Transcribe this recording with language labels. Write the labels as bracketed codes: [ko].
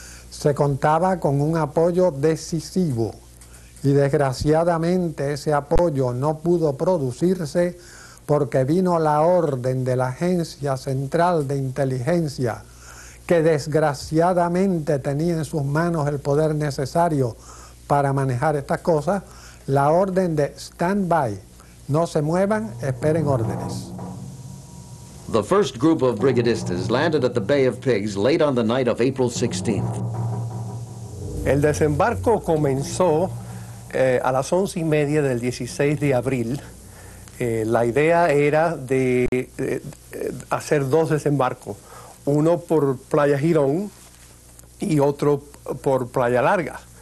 [es] Se contaba con un apoyo decisivo y desgraciadamente ese apoyo no pudo producirse porque vino la orden de la Agencia Central de Inteligencia, que desgraciadamente tenía en sus manos el poder necesario para manejar estas cosas, la orden de stand by, no se muevan, esperen órdenes. [en] The first group of brigadistas landed at the Bay of Pigs late on the night of April 16th. [es] El desembarco comenzó a las 11:30 del 16 de abril. La idea era de hacer 2 desembarcos, uno por Playa Girón y otro por Playa Larga.